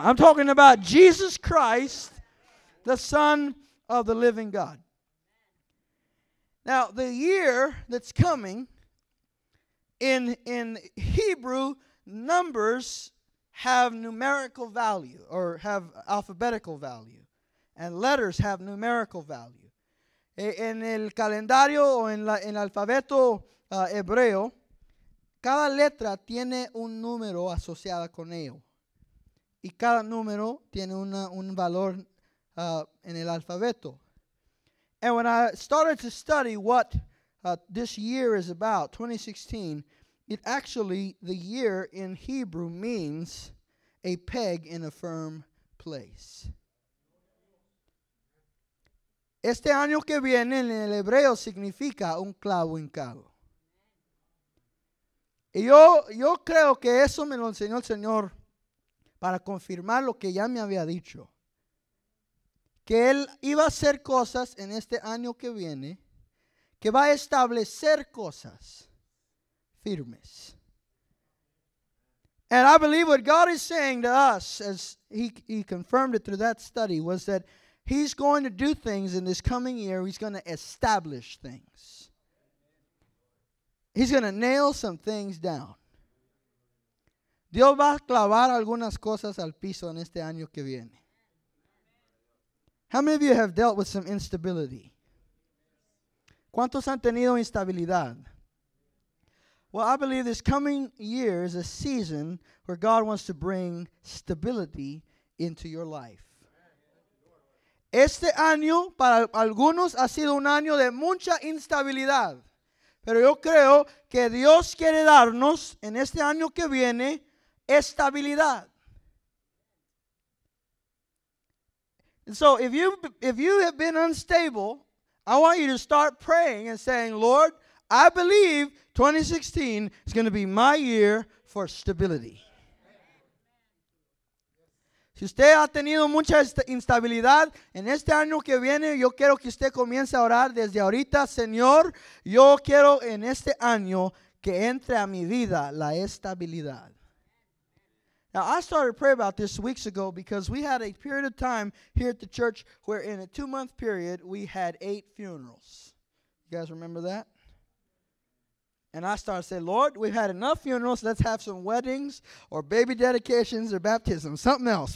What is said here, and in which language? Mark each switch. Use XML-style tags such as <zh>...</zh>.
<en>I'm talking about Jesus Christ, the Son of the Living God. Now, the year that's coming in Hebrew, numbers have numerical value, or have alphabetical value, and letters have numerical value.</en> <es>En el calendario o en el alfabeto hebreo, cada letra tiene un número asociado con ello, y cada número tiene un valor en el alfabeto.</es> <en>And when I started to study what this year is about, 2016, it actually, the year in Hebrew means a peg in a firm place.</en> <es>Este año que viene en el hebreo significa un clavo hincado. Y yo creo que eso me lo enseñó el Señor para confirmar lo que ya me había dicho. Que Él iba a hacer cosas en este año que viene, que va a establecer cosas firmes.</es> <en>And I believe what God is saying to us, as he confirmed it through that study, was that he's going to do things in this coming year. He's going to establish things. He's going to nail some things down.</en> <es>Dios va a clavar algunas cosas al piso en este año que viene.</es> <en>How many of you have dealt with some instability?</en> <es>¿Cuántos han tenido instabilidad?</es> <en>Well, I believe this coming year is a season where God wants to bring stability into your life.</en> <es>Este año para algunos ha sido un año de mucha instabilidad. Pero yo creo que Dios quiere darnos en este año que viene estabilidad.</es> <en>And so if you have been unstable, I want you to start praying and saying, Lord, I believe 2016 is going to be my year for stability.</en> <es>Si usted ha tenido mucha instabilidad, en este año que viene, yo quiero que usted comience a orar desde ahorita. Señor, yo quiero en este año que entre a mi vida la estabilidad.</es> <en>Now, I started praying about this weeks ago because we had a period of time here at the church where in a two-month period, we had 8 funerals. You guys remember that? And I started saying, Lord, we've had enough funerals. Let's have some weddings or baby dedications or baptisms, something else.</en>